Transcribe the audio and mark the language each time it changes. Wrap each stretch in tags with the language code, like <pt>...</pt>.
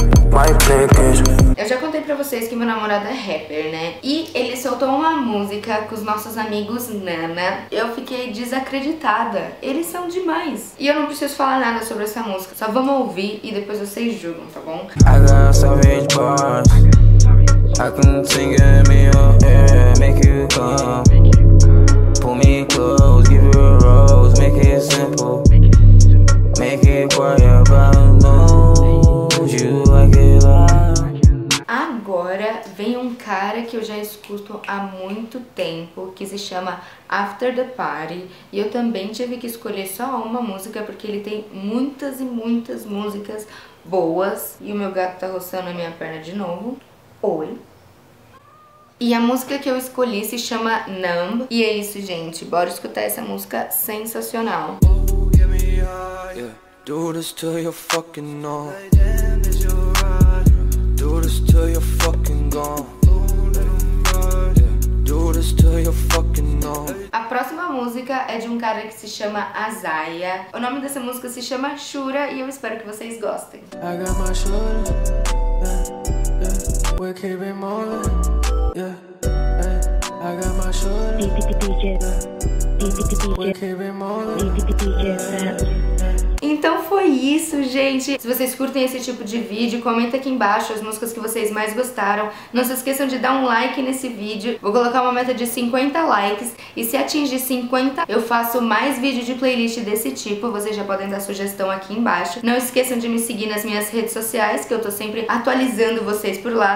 <en>Why playing games?</en> <pt>Eu já contei pra vocês que meu namorado é rapper, né? E ele soltou uma música com os nossos amigos Nana. Eu fiquei desacreditada. Eles são demais. E eu não preciso falar nada sobre essa música. Só vamos ouvir e depois vocês julgam, tá bom?</pt> <en>I got savage bars. I can sing it in me, oh yeah. Make you come. Pull me close, give you a rose. Make it simple. Make it quiet, but I know you like it loud.</en> <pt>Agora vem um cara que eu já escuto há muito tempo, que se chama After The Party. E eu também tive que escolher só uma música, porque ele tem muitas e muitas músicas boas. E o meu gato tá roçando a minha perna de novo. Oi. E a música que eu escolhi se chama Numb. E é isso, gente. Bora escutar essa música sensacional. A próxima música é de um cara que se chama Azaia. O nome dessa música se chama Shura e eu espero que vocês gostem.</pt> <en>I got my shura, yeah, yeah. We're keeping rolling, yeah, yeah. I got my shura, yeah. We're keeping rolling, yeah.</en> <pt>Então foi isso, gente. Se vocês curtem esse tipo de vídeo, comenta aqui embaixo as músicas que vocês mais gostaram. Não se esqueçam de dar um like nesse vídeo. Vou colocar uma meta de 50 likes. E se atingir 50, eu faço mais vídeo de playlist desse tipo. Vocês já podem dar sugestão aqui embaixo. Não esqueçam de me seguir nas minhas redes sociais, que eu tô sempre atualizando vocês por lá.</pt>